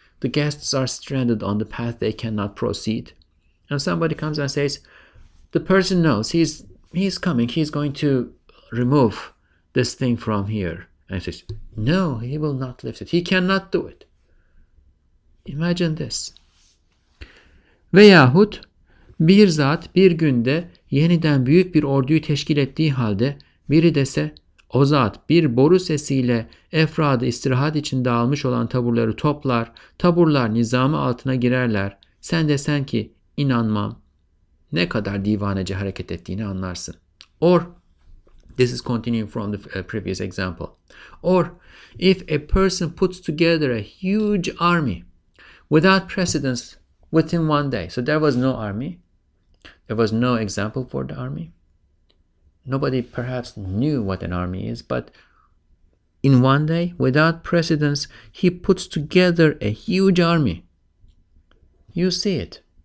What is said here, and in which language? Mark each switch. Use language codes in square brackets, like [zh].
[en] The guests are stranded on the path. They cannot proceed. And somebody comes and says, the person knows. He's coming. He's going to remove this thing from here. And he says, no, he will not lift it. He cannot do it. Imagine this. [tr] Veyahut bir zat bir günde yeniden büyük bir orduyu teşkil ettiği halde biri dese o zat bir boru sesiyle efradı istirahat için dağılmış olan taburları toplar, taburlar nizamı altına girerler. Sen desen ki inanmam, ne kadar divanece hareket ettiğini anlarsın. [en] Or, this is continuing from the previous example. Or, if a person puts together a huge army without precedence within one day, so there was no army. There was no example for the army. Nobody perhaps knew what an army is, but in one day, without precedence, he puts together a huge army. You see it.